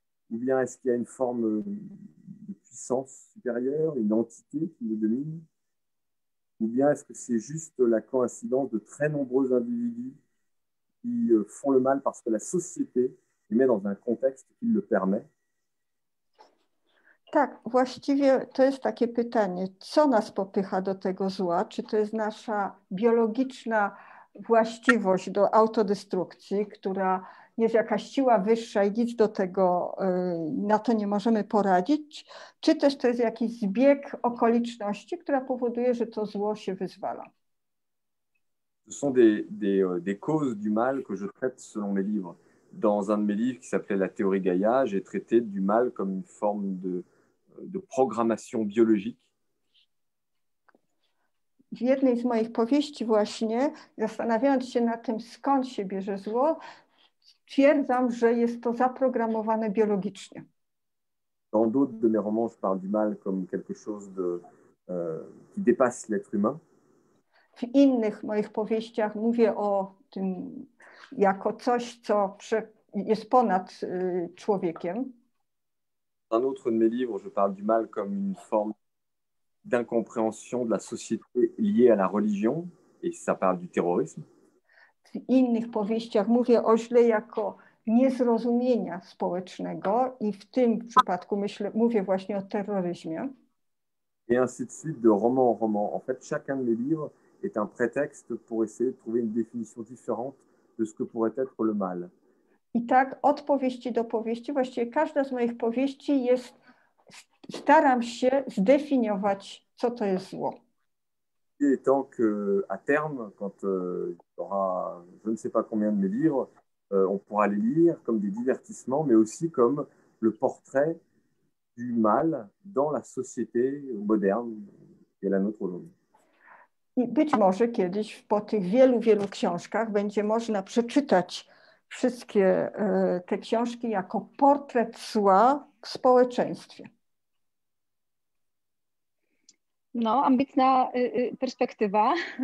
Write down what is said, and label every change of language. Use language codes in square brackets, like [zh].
[fr] Ou bien est-ce qu'il y a une forme de puissance supérieure, une entité qui nous domine? Ou bien est-ce que c'est juste la coïncidence de très nombreux individus qui font le mal parce que la société les met dans un contexte qui le permet? [pl] Tak, właściwie to jest takie pytanie, co nas popycha do tego zła? Czy to jest nasza biologiczna właściwość do autodestrukcji, która jest jakaś siła wyższa i nic do tego, na to nie możemy poradzić? Czy też to jest jakiś zbieg okoliczności, która powoduje, że to zło się wyzwala? To są [fr] des causes du mal, que je traite selon mes livres. Dans un de mes livres qui s'appelait La théorie Gaïa, j'ai traité du mal comme une forme de programmation biologique. [pl] W jednej z moich powieści właśnie, zastanawiając się nad tym, skąd się bierze zło, twierdzam, że jest to zaprogramowane biologicznie. [fr] Dans d'autres de mes romans, je parle du mal comme quelque chose de qui dépasse l'être humain. [pl] W innych moich powieściach mówię o tym jako coś, co jest ponad człowiekiem. [fr] Un autre de mes livres, je parle du mal comme une forme d'incompréhension de la société liée à la religion, et ça parle du terrorisme. [pl] W innych powieściach mówię o źle jako niezrozumienia społecznego i w tym przypadku mówię właśnie o terroryzmie. [fr] Et ainsi de suite, de roman en roman. En fait, chacun de mes livres est un prétexte pour essayer de trouver une définition différente de ce que pourrait être le mal. [pl] I tak od powieści do powieści, właściwie każda z moich powieści jest, staram się zdefiniować, co to jest zło. [fr] I tant que à terme, quand il y aura je ne sais pas combien de mes livres, On pourra les lire comme des divertissements, mais aussi comme le portrait du mal dans la société moderne qui est la nôtre aujourd'hui. [pl] I być może kiedyś po tych wielu, wielu książkach będzie można przeczytać wszystkie te książki jako portret zła w społeczeństwie. No, ambitna perspektywa.